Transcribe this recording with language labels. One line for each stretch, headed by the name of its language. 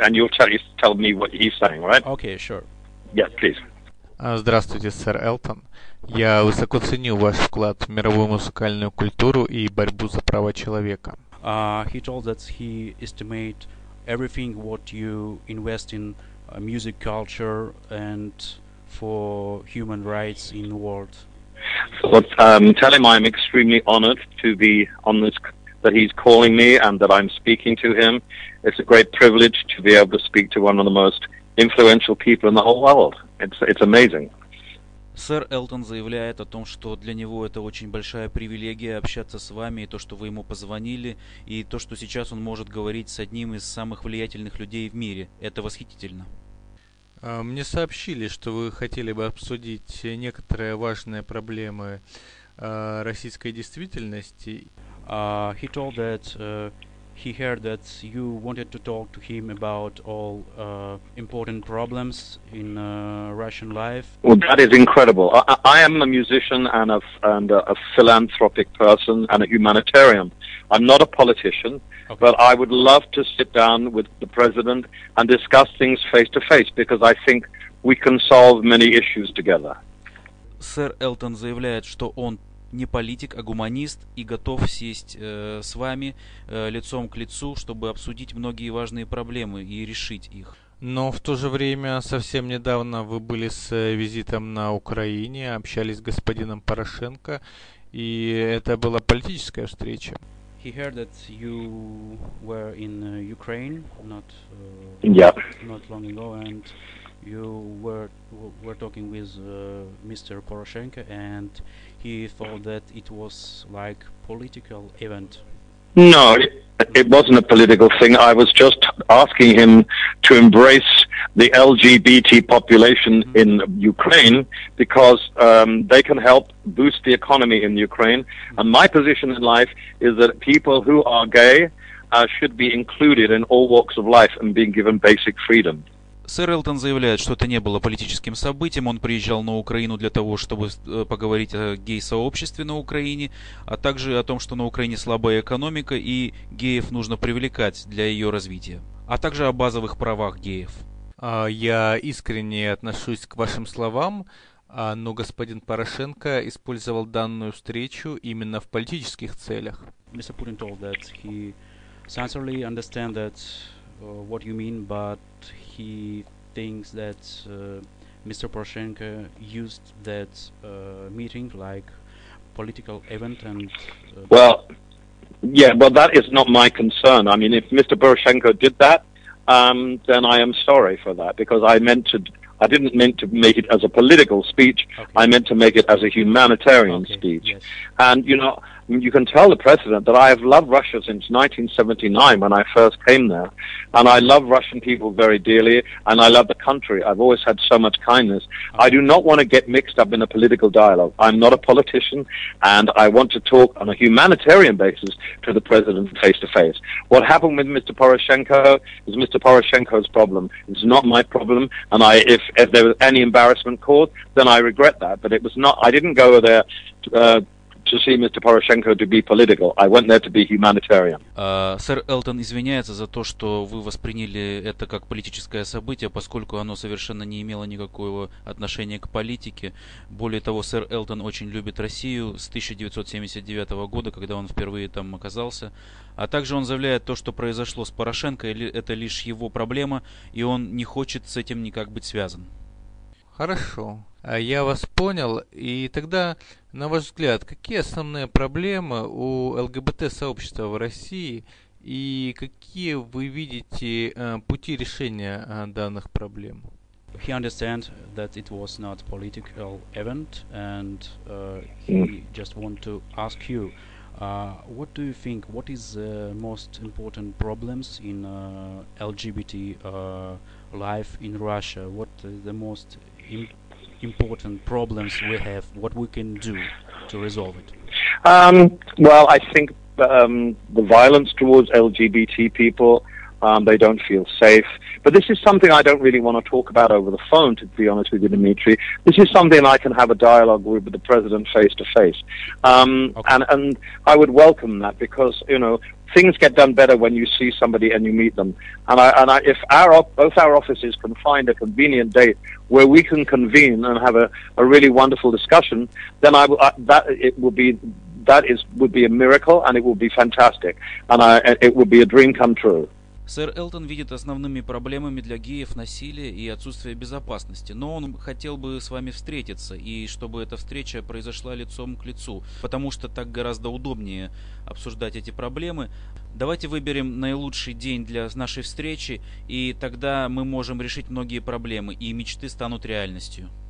English: And you'll tell me what he's saying, right? Okay, sure. Yes, please.
Russian: Здравствуйте, сэр Элтон. Я высоко ценю ваш вклад в мировую музыкальную культуру и борьбу за права человека.
English: He told that he estimate everything what you invest in music culture and for human rights in the world. But tell him I'm extremely honored to be on this, that he's calling me and that I'm speaking to him. It's a great privilege to be able to speak to one of the most influential people in the whole world. It's amazing.
Russian: Сэр Элтон заявляет о том, что для него это очень большая привилегия общаться с вами, и то, что вы ему позвонили, и то, что сейчас он может говорить с одним из самых влиятельных людей в мире. Это восхитительно. Мне сообщили, что вы хотели бы обсудить некоторые важные проблемы российской действительности.
English: He told that he heard that you wanted to talk to him about all important problems in Russian life. Well, that is incredible. I am a musician and a philanthropic person and a humanitarian. I'm not a politician, Okay. but I would love to sit down with the president and discuss things face to face because I think we can solve many issues together.
Russian: Сэр Элтон заявляет, что он не политик, а гуманист, и готов сесть с вами лицом к лицу, чтобы обсудить многие важные проблемы и решить их. Но в то же время совсем недавно вы были с визитом на Украине, общались с господином Порошенко, и это была политическая встреча.
English: He heard that you were in Ukraine Yeah. not long ago, and you were talking with Mr. Poroshenko, and he thought that it was like political event. No. It wasn't a political thing. I was just asking him to embrace the LGBT population in Ukraine because they can help boost the economy in Ukraine. And my position in life is that people who are gay should be included in all walks of life and being given basic freedom.
Russian: Сэр Элтон заявляет, что это не было политическим событием. Он приезжал на Украину для того, чтобы поговорить о гей-сообществе на Украине, а также о том, что на Украине слабая экономика и геев нужно привлекать для ее развития, а также о базовых правах геев. Я искренне отношусь к вашим словам, но господин Порошенко использовал данную встречу именно в политических целях.
English: Mr. Putin told that he sincerely understand that what you mean, but he thinks that Mr. Poroshenko used that meeting like political event and Well, yeah, but that is not my concern. I mean, if Mr. Poroshenko did that, then I am sorry for that because I didn't mean to make it as a political speech. I meant to make it as a humanitarian Okay, speech. yes. And you can tell the president that I have loved Russia since 1979 when I first came there. And I love Russian people very dearly. And I love the country. I've always had so much kindness. I do not want to get mixed up in a political dialogue. I'm not a politician. And I want to talk on a humanitarian basis to the president face to face. What happened with Mr. Poroshenko is Mr. Poroshenko's problem. It's not my problem. And if there was any embarrassment caused, then I regret that. But it was not, I didn't go there to see Mr. Poroshenko to be political. I went there to be humanitarian.
Russian: Сэр Элтон извиняется за то, что вы восприняли это как политическое событие, поскольку оно совершенно не имело никакого отношения к политике. Более того, сэр Элтон очень любит Россию с 1979 года, когда он впервые там оказался. А также он заявляет то, что произошло с Порошенко, или это лишь его проблема, и он не хочет с этим никак быть связан. Хорошо. Я вас понял. И тогда, на ваш взгляд, какие основные проблемы у ЛГБТ-сообщества в России и какие вы видите пути решения данных проблем?
English: He understand that it was not political event, and he just want to ask you, what do you think? What is most important problems in LGBT life in Russia? What the most important problems we have? What we can do to resolve it? Well, I think the violence towards LGBT people, They don't feel safe. But this is something I don't really want to talk about over the phone, to be honest with you, Dmitry. This is something I can have a dialogue with the president face to face. And I would welcome that because, you know, things get done better when you see somebody and you meet them. And if both our offices can find a convenient date where we can convene and have a really wonderful discussion, then that would be a miracle, and it would be fantastic, and it would be a dream come true.
Russian: Сэр Элтон видит основными проблемами для геев насилие и отсутствие безопасности, но он хотел бы с вами встретиться, и чтобы эта встреча произошла лицом к лицу, потому что так гораздо удобнее обсуждать эти проблемы. Давайте выберем наилучший день для нашей встречи, и тогда мы можем решить многие проблемы, и мечты станут реальностью.